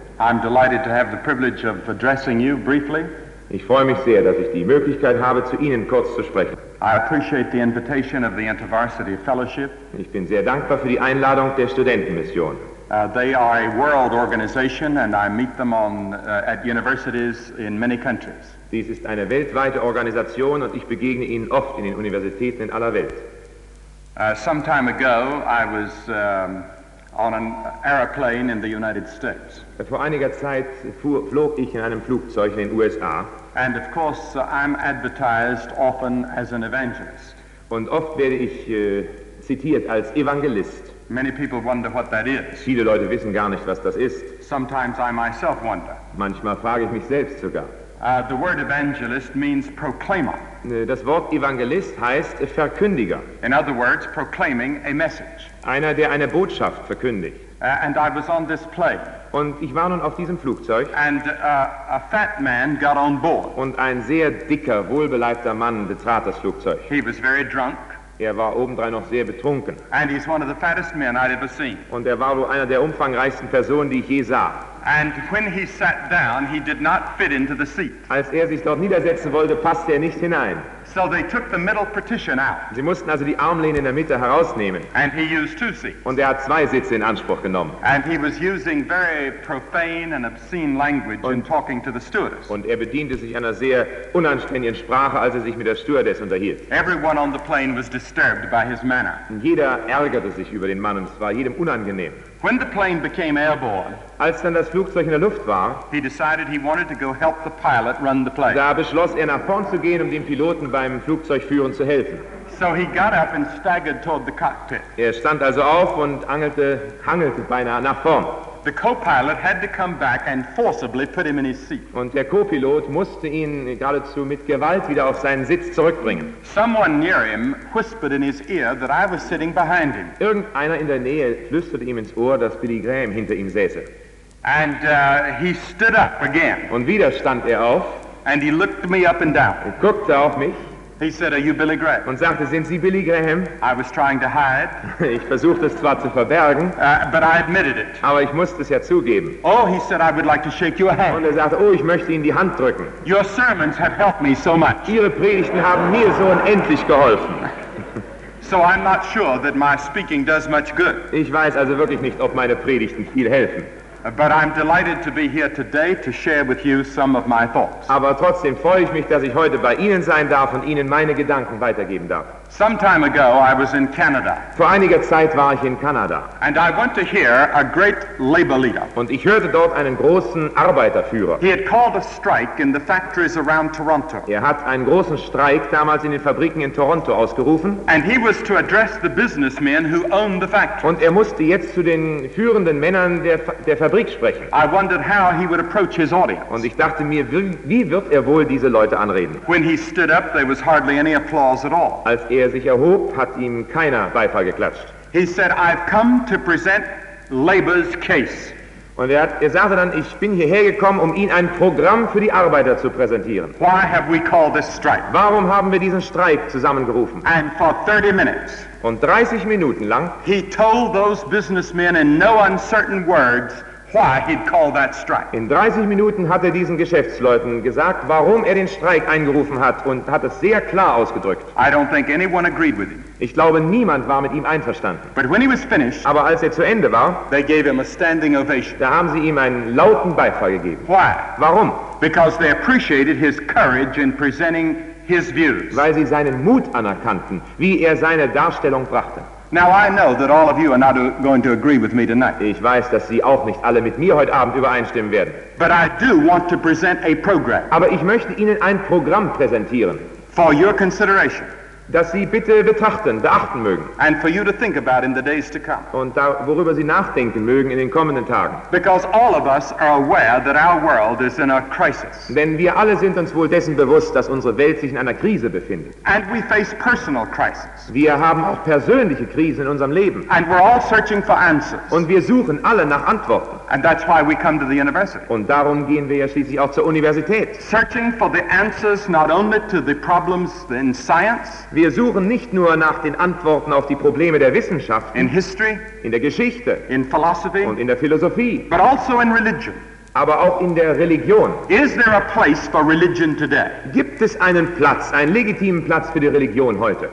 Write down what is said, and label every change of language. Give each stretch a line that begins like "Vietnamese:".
English: I'm delighted to have the privilege of addressing you briefly.
German: Ich freue mich sehr, dass ich die Möglichkeit habe, zu Ihnen kurz zu sprechen.
English: I appreciate the invitation of the InterVarsity Fellowship.
German: Ich bin sehr dankbar für die Einladung der Studentenmission.
English: They are a world organization and I meet them on at universities in many countries.
German: Dies ist eine weltweite Organisation und ich begegne Ihnen oft in den Universitäten in aller Welt.
English: Some time ago I was on an aeroplane in the United States.
German: Vor einiger Zeit flog ich in einem Flugzeug in den USA.
English: And of course I'm advertised often as an evangelist.
German: Und oft werde ich zitiert als Evangelist.
English: Many people wonder what that is.
German: Viele Leute wissen gar nicht, was das ist.
English: Sometimes I myself wonder.
German: Manchmal frage ich mich selbst sogar.
English: The word evangelist means proclaimer.
German: Das Wort Evangelist heißt Verkündiger.
English: In other words, proclaiming a message.
German: Einer, der eine Botschaft verkündigt.
English: And I was on this plane.
German: Und ich war nun auf diesem Flugzeug.
English: And a fat man got on board.
German: Und ein sehr dicker, wohlbeleibter Mann betrat das Flugzeug.
English: He was very drunk.
German: Er war obendrein noch sehr betrunken.
English: And he's one of the fattest men I'd ever seen.
German: Und er war wohl einer der umfangreichsten Personen, die ich je sah.
English: And when he sat down, he did not fit into the seat.
German: Als er sich dort niedersetzen wollte, passte er nicht hinein.
English: So they took the middle partition out.
German: Sie mussten also die Armlehne in der Mitte herausnehmen.
English: And he used two seats.
German: Und er hat zwei Sitze in Anspruch genommen.
English: And he was using very profane and obscene language in talking to the stewardess.
German: Und er bediente sich einer sehr unanständigen Sprache, als er sich mit der Stewardess unterhielt.
English: Everyone on the plane was disturbed by his manner.
German: Und jeder ärgerte sich über den Mann und es war jedem unangenehm.
English: When the plane became airborne,
German: als dann das Flugzeug in der Luft war,
English: he decided he wanted to go help the pilot run the plane.
German: Da beschloss er, nach vorn zu gehen, um dem Piloten beim Flugzeugführen zu helfen.
English: So he got up and staggered toward the cockpit.
German: Er stand also auf und hangelte beinahe nach vorn.
English: The co-pilot had to come back and forcibly put him in his seat.
German: Und der Co-Pilot musste ihn geradezu mit Gewalt wieder auf seinen Sitz zurückbringen.
English: Someone near him whispered in his ear that I was sitting behind him.
German: Irgendeiner in der Nähe flüsterte ihm ins Ohr, dass Billy Graham hinter ihm säße.
English: And he stood up again.
German: Und wieder stand er auf.
English: And he looked me up and down.
German: Und guckte auf mich.
English: He said, "Are you Billy Graham?"
German: Und sagte, sind Sie Billy Graham?
English: I was trying to hide.
German: Ich versuchte es zwar zu verbergen,
English: but I admitted it.
German: Aber ich musste es ja zugeben.
English: Oh, he said, "I would like to shake your hand."
German: Und er sagte, oh, ich möchte Ihnen die Hand drücken.
English: Your sermons have helped me so much.
German: Ihre Predigten haben mir so unendlich geholfen.
English: So I'm not sure that my speaking does much good.
German: Ich weiß also wirklich nicht, ob meine Predigten viel helfen.
English: But I'm delighted to be here today to share with you some of my thoughts.
German: Aber trotzdem freue ich mich, dass ich heute bei Ihnen sein darf und Ihnen meine Gedanken weitergeben darf.
English: Some time ago I was in Canada.
German: Vor einiger Zeit war ich in Kanada.
English: And I went to hear a great labor leader.
German: Und ich hörte dort einen großen Arbeiterführer.
English: He had called a strike in the factories around Toronto.
German: Er hat einen großen Streik damals in den Fabriken in Toronto ausgerufen.
English: And he was to address the businessmen who owned the factory.
German: Und er musste jetzt zu den führenden Männern der Fabrik sprechen.
English: I wondered how he would approach his audience.
German: Und ich dachte mir, wie wird er wohl diese Leute anreden?
English: When he stood up, there was hardly any applause at all.
German: Als er sich erhob, hat ihm keiner Beifall geklatscht.
English: He said, "I've come to present labor's case."
German: Und er sagte dann, ich bin hierher gekommen, um Ihnen ein Programm für die Arbeiter zu präsentieren.
English: Why have we called this strike?
German: Warum haben wir diesen Streik zusammengerufen?
English: And for 30 minutes,
German: und 30 Minuten lang,
English: he told those businessmen in no uncertain words why he'd call that strike.
German: In 30 Minuten hat er diesen Geschäftsleuten gesagt, warum er den Streik eingerufen hat und hat es sehr klar ausgedrückt.
English: I don't think anyone agreed with him.
German: Ich glaube, niemand war mit ihm einverstanden.
English: But when he was finished,
German: aber als er zu Ende war,
English: they gave him a standing ovation.
German: Da haben sie ihm einen lauten Beifall gegeben.
English: Why?
German: Warum?
English: Because they appreciated his courage in presenting his views.
German: Weil sie seinen Mut anerkannten, wie er seine Darstellung brachte.
English: Now I know that all of you are not going to agree with me tonight.
German: Ich weiß, dass Sie auch nicht alle mit mir heute Abend übereinstimmen werden.
English: But I do want to present a program.
German: Aber ich möchte Ihnen ein Programm präsentieren.
English: For your consideration.
German: Das Sie bitte betrachten, beachten mögen.
English: And for you to think about in the days to come.
German: Und worüber Sie nachdenken mögen in den kommenden Tagen.
English: Because all of us are aware that our world is in a crisis.
German: Denn wir alle sind uns wohl dessen bewusst, dass unsere Welt sich in einer Krise befindet.
English: And we face personal crises.
German: Wir haben auch persönliche Krisen in unserem Leben.
English: And we're all searching for answers.
German: Und wir suchen alle nach Antworten.
English: And that's why we come to the university.
German: Und darum gehen wir ja schließlich auch zur Universität.
English: Searching for the answers not only to the problems in science.
German: Wir suchen nicht nur nach den Antworten auf die Probleme der Wissenschaft,
English: in history,
German: in der Geschichte,
English: in philosophy,
German: und in der Philosophie,
English: but also in religion.
German: Aber auch in der Religion.
English: Is there a place for religion today?
German: Gibt es einen Platz, einen legitimen Platz für die Religion heute?